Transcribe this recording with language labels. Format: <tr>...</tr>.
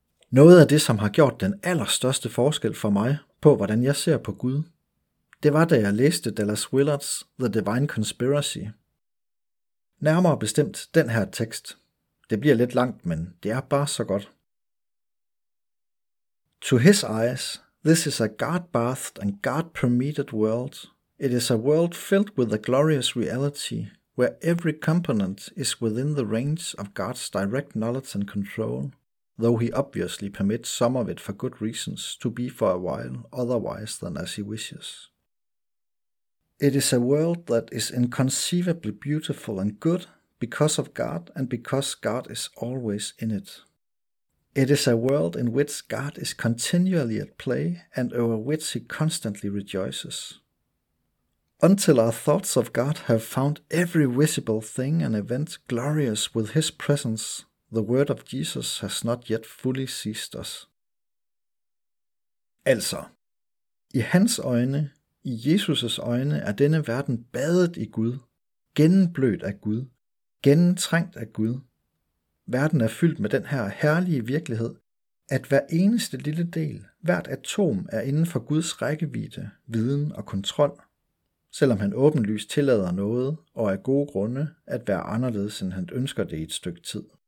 <da>Noget af det, som har gjort den allerstørste forskel for mig på, hvordan jeg ser på Gud, det var, da jeg læste Dallas Willard's The Divine Conspiracy. Nærmere bestemt den her tekst. Det bliver lidt langt, men det er bare så godt.</da> <en>To his eyes, this is a God-bathed and God-permitted world. It is a world filled with a glorious reality, where every component is within the range of God's direct knowledge and control, though he obviously permits some of it for good reasons to be for a while otherwise than as he wishes. It is a world that is inconceivably beautiful and good because of God and because God is always in it. It is a world in which God is continually at play and over which he constantly rejoices. Until our thoughts of God have found every visible thing and event glorious with his presence, the word of Jesus has not yet fully seized us.</en> <da>Altså, i hans øjne, i Jesus' øjne, er denne verden badet i Gud, gennemblødt af Gud, gennemtrængt af Gud. Verden er fyldt med den her herlige virkelighed, at hver eneste lille del, hvert atom, er inden for Guds rækkevidde, viden og kontrol, selvom han åbenlyst tillader noget og af gode grunde at være anderledes, end han ønsker det i et stykke tid.</da>